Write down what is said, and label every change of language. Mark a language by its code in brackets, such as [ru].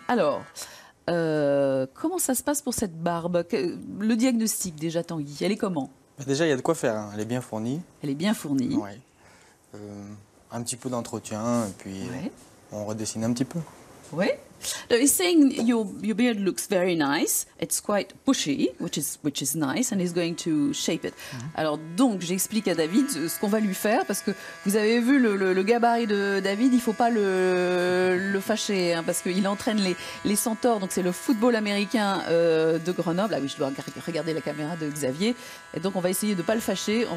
[fr] Alors, comment ça se passe pour cette barbe? Le diagnostic déjà, Tanguy, elle est comment? Déjà, il y a de quoi faire. Hein. Elle est bien fournie. Elle est bien fournie. Ouais. Un petit peu d'entretien, et puis on redessine un petit peu. Oui. [en] So he's saying your beard looks very nice. It's quite bushy, which is nice, and he's going to shape it. Mm-hmm. [fr] Alors donc j'explique à David ce qu'on va lui faire parce que vous avez vu le gabarit de David, il faut pas le fâcher hein, parce qu'il entraîne les Centaures, donc c'est le football américain de Grenoble. Ah oui, je dois regarder la caméra de Xavier. Et donc on va essayer de pas le fâcher.